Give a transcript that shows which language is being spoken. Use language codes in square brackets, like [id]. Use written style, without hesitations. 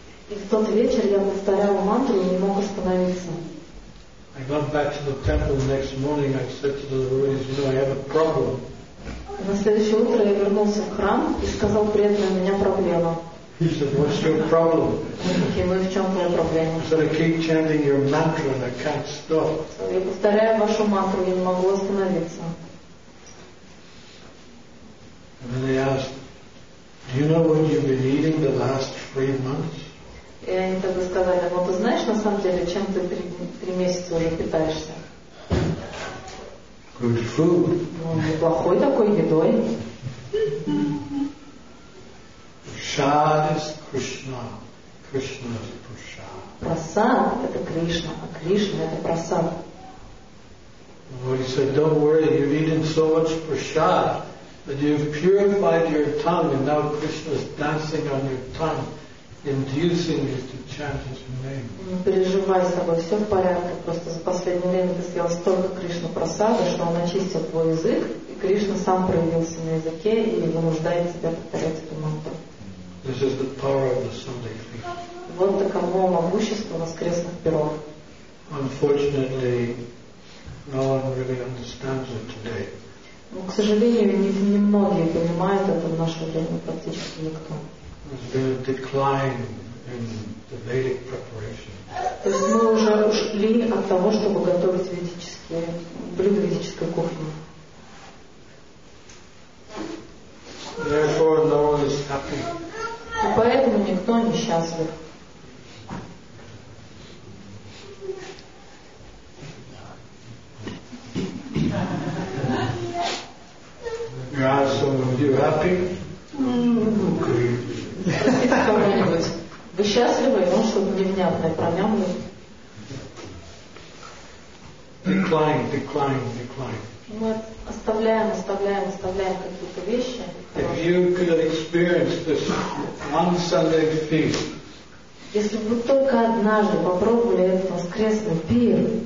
[ru] И в тот вечер я повторяла мантру и не мог остановиться. [en] I got back to the temple the next morning. I said to the devotees, you know, I have a problem. [ru] На следующее утро я вернулся в храм и сказал преданным, у меня проблема. [en] He said, what's your problem? [ru] Ну, в чем твоя проблема? [en] I said, I keep chanting your mantra and I can't stop. [ru] Я повторяю вашу мантру и не могу остановиться. [en] And then they asked, do you know what you've been eating the last 3 months? [ru] И они тогда сказали, ну ты знаешь на самом деле, чем ты три месяца уже питаешься? [en] Good food. [ru] Ну, неплохой такой едой. [en] Prasad is Krishna. Krishna is Prasad. [ru] Prasad – это Кришна, а Кришна – это Prasad. [en] Well, he said, don't worry, you've eaten so much Prasad. That you've purified your tongue and now Krishna's dancing on your tongue, inducing you to chant his name. [ru] Не переживай с тобой, все в порядке. Просто за последнее время ты съел столько Кришна просады, что он очистил твой язык, и Кришна сам проявился на языке и вынуждает тебя повторять эту мантру. [en] This is the power of the Sunday feast. [ru] Вот таково могущество воскресных пиров. [en] Unfortunately, no one really understands it today. [ru] Но, к сожалению, не многие понимают это в наше время, практически никто. [en] There's been a decline in the Vedic preparation. [ru] То есть мы уже ушли от того, чтобы готовить ведические блюда ведической кухни. [en] Therefore, no one is happy. [ru] И поэтому никто не счастлив. [en] You ask someone, are you happy? [ru] Вы счастливы, но чтобы невнятное, промямлив. [en] Decline. [ru] Мы оставляем какие-то вещи. [en] If you could experience this one Sunday feast. [ru] Если бы вы только однажды попробовали этот воскресный пир.